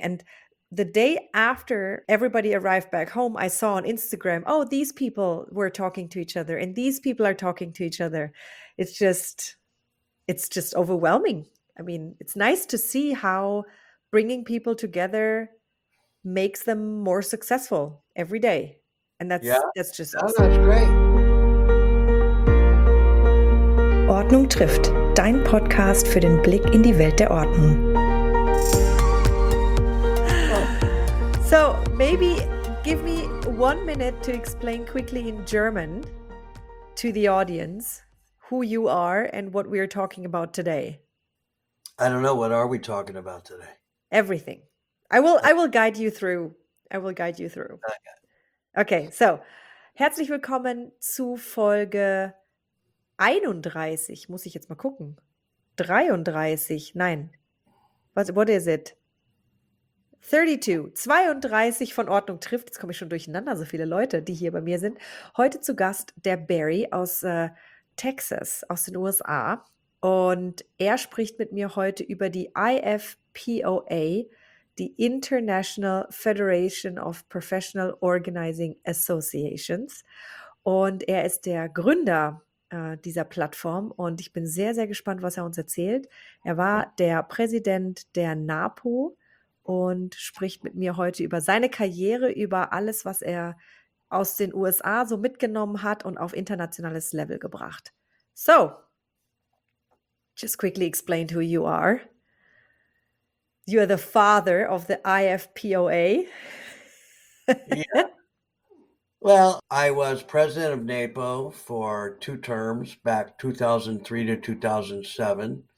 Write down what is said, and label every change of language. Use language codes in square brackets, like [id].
[en] And the day after everybody arrived back home, I saw on Instagram, oh, these people were talking to each other and these people are talking to each other. It's just overwhelming. I mean, it's nice to see how bringing people together makes them more successful every day. And Yeah. that's just Oh, that's awesome. great. [de] Ordnung trifft, dein Podcast für den Blick in die Welt der Ordnung. [en] So maybe give me 1 minute to explain quickly in German to the audience who you are and what we are talking about today. I don't know, what are we talking about today? Everything. I will guide you through. I will guide you through. [de] Okay, so herzlich willkommen zu Folge 31. Muss ich jetzt mal gucken. [en] 33, [de] nein. [en] What is it? [de] 32, 32 von Ordnung trifft. Jetzt komme ich schon durcheinander, so viele Leute, die hier bei mir sind. Heute zu Gast der Barry aus Texas, aus den USA. Und er spricht mit mir heute über die IFPOA, die International Federation of Professional Organizing Associations. Und er ist der Gründer dieser Plattform. Und ich bin sehr, sehr gespannt, was er uns erzählt. Er war der Präsident der NAPO. Und spricht mit mir heute über seine Karriere, über alles, was er aus den USA so mitgenommen hat und auf internationales Level gebracht. [en] So, just quickly explained who you are. You are the father of the IFPOA. Yeah. Well, I was president of NAPO for 2 terms back 2003 to 2007.